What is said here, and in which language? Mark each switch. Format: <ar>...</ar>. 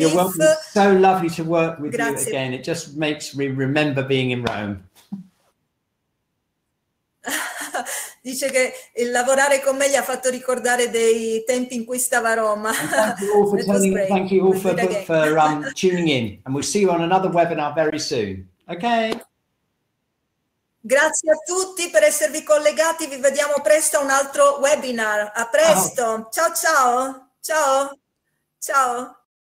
<en>You're welcome, it's so lovely to work with you again, it just makes me remember being in Rome.</en> <it>Dice che il lavorare con me gli ha fatto ricordare dei tempi in cui stava a Roma.</it> <en>Thank you all for tuning in, and we'll see you on another webinar very soon, okay?</en> <it>Grazie a tutti per esservi collegati, vi vediamo presto a un altro webinar. A presto, ciao.</it>